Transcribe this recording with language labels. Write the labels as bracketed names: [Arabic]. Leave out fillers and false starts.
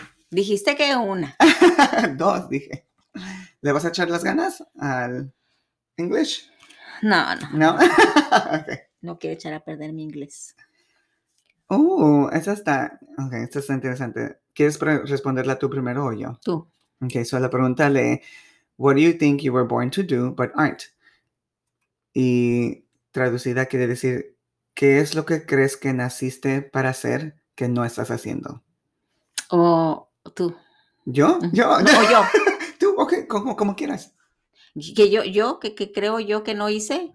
[Spanish] Dijiste que una. Dos, dije. ¿Le vas a echar las ganas al English? No, no, No. no. Ok. No quiero echar a perder mi inglés. Esa está. Ok, esta está interesante. ¿Quieres responderla tú primero o yo? Tú. [English] Ok, so [Spanish] la pregunta lee: [English] What do you think you were born to do but aren't? [Spanish] Y traducida quiere decir, ¿qué es lo que crees que naciste para hacer que no estás haciendo? O tú. ¿Yo? ¿Yo? No, o yo. ¿Tú? Ok, como quieras. Que yo que creo yo que no hice,